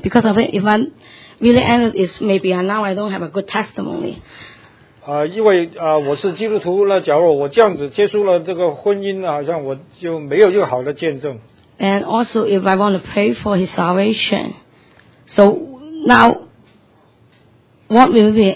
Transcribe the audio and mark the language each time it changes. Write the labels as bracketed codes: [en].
[en] Because of it, if I really end it, it's maybe now I don't have a good testimony. [zh] 因为我是基督徒，那假如我这样子结束了这个婚姻，好像我就没有一个好的见证。 [en] And also, if I want to pray for his salvation, so now, what will be?